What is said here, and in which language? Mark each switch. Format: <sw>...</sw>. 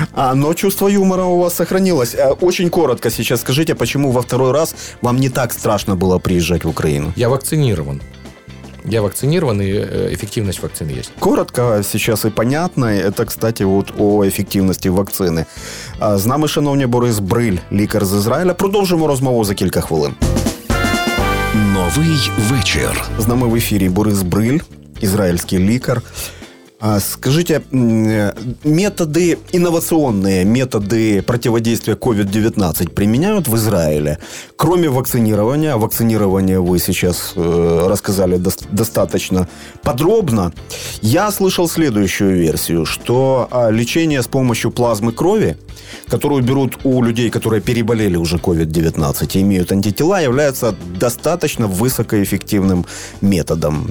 <ru>А, но чувство юмора у вас сохранилось. Очень коротко сейчас скажите, почему во второй раз вам не так страшно было приезжать в Украину? Я вакцинирован. Я вакцинирован, и эффективность вакцины есть. Коротко сейчас и понятно. Это, кстати, вот о эффективности вакцины.</ru> <uk>З нами, шановні, Борис Бриль, лікар з Ізраїля. Продовжимо розмову за кілька хвилин. Новий вечір. З нами в ефірі Борис Бриль, ізраїльський лікар.</uk> <ru>Скажите, методи, инновационные методы противодействия COVID-19 применяют в Израиле, кроме вакцинирования? Вакцинирование вы сейчас рассказали достаточно подробно. Я слышал следующую версию, что лечение с помощью плазмы крови, которую берут у людей, которые переболели уже COVID-19 и имеют антитела, является достаточно высокоэффективным методом.</ru>